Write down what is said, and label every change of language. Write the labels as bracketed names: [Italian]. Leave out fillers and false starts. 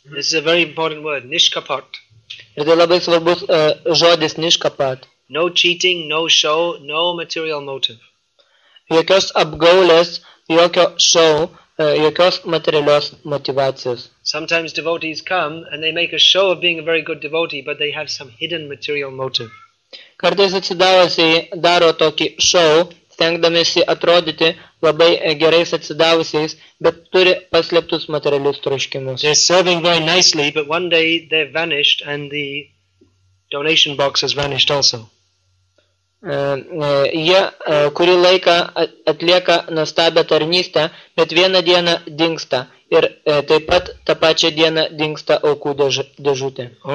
[English] This is a very important word, nishkapat. [Lithuanian] Ir tai labai svarbus žodis, nishkapat. [English] No cheating, no show, no material motive. [Lithuanian] Jokios apgaulės, jokio show, jokios materialios motivacijos. [English] Sometimes devotees come and they make a show of being a very good devotee, but they have some hidden material motive. [Lithuanian] Kartais atsidavusiai daro tokį show, stengdamiesi atrodyti labai gerais atsidavusiais, bet turi paslėptus materialius troškimus. [English] They're serving very nicely, but one day they've vanished and the donation box has vanished also. [Lithuanian] Jie kurį laiką atlieka nuostabią tarnystę, bet vieną dieną dingsta ir taip pat tą pačią dieną dingsta aukų dėžutė.